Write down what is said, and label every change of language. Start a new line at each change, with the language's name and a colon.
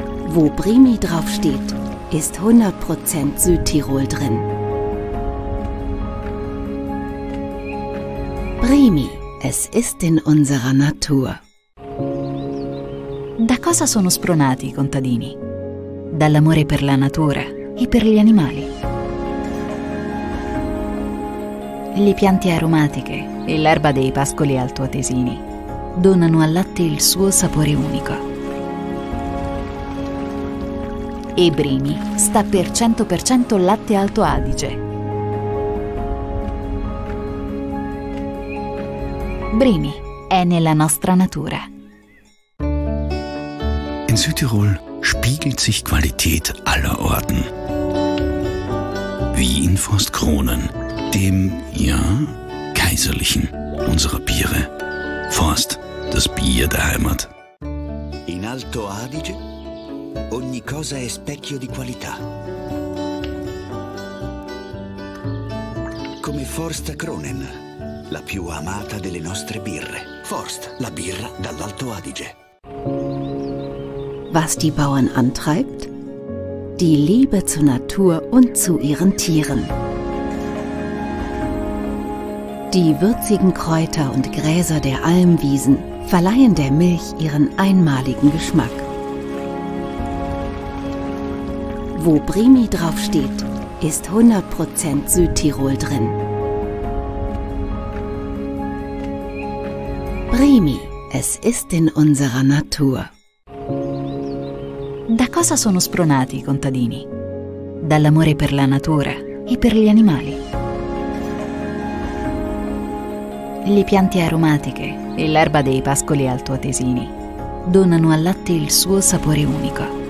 German: Wo Brimi draufsteht, ist 100% Südtirol drin. Brimi, es ist in unserer Natur.
Italian: Da cosa sono spronati i contadini? Dall'amore per la natura e per gli animali. Le piante aromatiche e l'erba dei pascoli altoatesini donano al latte il suo sapore unico. E Brimi sta per 100% latte Alto Adige. Brimi è nella nostra natura.
German: In Südtirol spiegelt sich Qualität aller Orten. Wie in Forstkronen, dem, ja, kaiserlichen unserer Biere. Forst, das Bier der Heimat.
Italian: In Alto Adige ogni cosa è specchio di qualità. Come Forstkronen, la più amata delle nostre birre. Forst, la birra dall'Alto Adige.
German: Was die Bauern antreibt? Die Liebe zur Natur und zu ihren Tieren. Die würzigen Kräuter und Gräser der Almwiesen verleihen der Milch ihren einmaligen Geschmack. Wo Brimi draufsteht, ist 100% Südtirol drin. Brimi, es ist in unserer Natur.
Italian: Da cosa sono spronati i contadini? Dall'amore per la natura e per gli animali. Le piante aromatiche e l'erba dei pascoli altoatesini donano al latte il suo sapore unico.